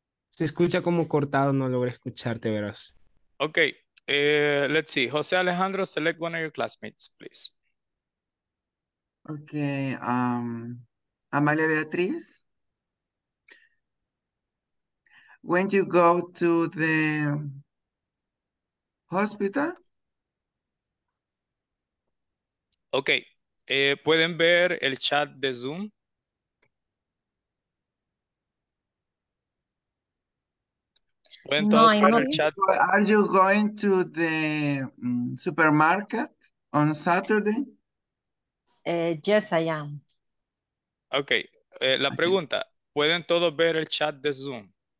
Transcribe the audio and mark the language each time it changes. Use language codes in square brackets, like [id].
[es] Se escucha como cortado, no logré escucharte, verás. [en] Okay. Let's see. Jose Alejandro, select one of your classmates, please. Okay. Amalia Beatriz. When you go to the hospital? [es] Okay. ¿Pueden ver el chat de Zoom? [en] Are you going to the supermarket on Saturday? Yes, I am. Okay. [es] La pregunta, ¿pueden todos ver el chat de Zoom?